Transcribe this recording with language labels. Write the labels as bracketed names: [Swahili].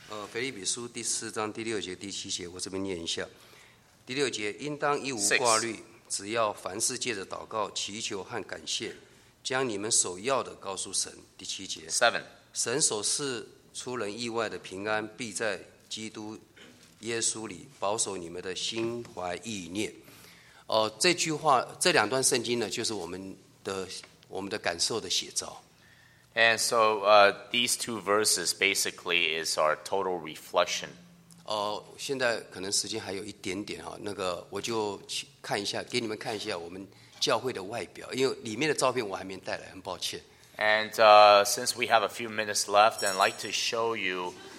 [Chinese] 腓立比书第四章第六节第七节，我这边念一下。第六节，应当一无挂虑，只要凡事借着祷告、祈求和感谢，将你们所要的告诉神。第七节。 [English] Seven. [Chinese] 神所赐出人意外的平安，必在基督耶稣里保守你们的心怀意念。这句话，这两段圣经呢，就是我们的感受的写照。 [English] And so, these two verses basically is our total reflection. [Chinese] 现在可能时间还有一点点哈，那个我就看一下，给你们看一下我们教会的外表，因为里面的照片我还没带来，很抱歉。 [English] And since we have a few minutes left, I'd like to show you.